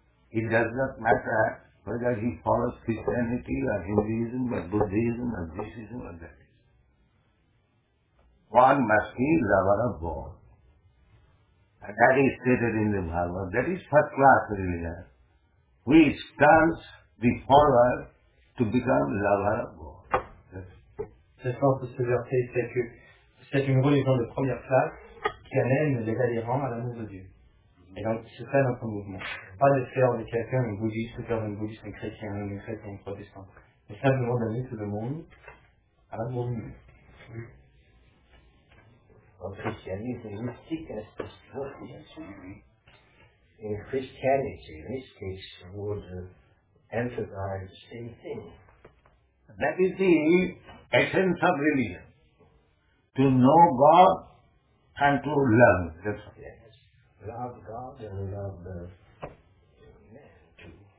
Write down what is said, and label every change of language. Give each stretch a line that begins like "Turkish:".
English: It does not matter whether he follows Christianity or Hinduism or Buddhism or Jainism or that. One must be lover of God. And that is stated in the Bhagavad. That is first class religion, which turns the follower to become lover of God.
French: C'est sens de ce verset, c'est que c'est une religion de première classe qui amène les adhérents à l'amour de Dieu. Et donc, ce serait notre mouvement. Pas de faire de quelqu'un un bouddhiste, faire d'un bouddhiste un chrétien, un chrétien, un protestant. Mais simplement d'amener tout le monde à la bonne vie. Le christianisme mystique est ce que je veux dire.
English: In Christianity, mystics would emphasize the same thing. That is the essence of religion. To know God and to learn. That's all. Love God and love the man too.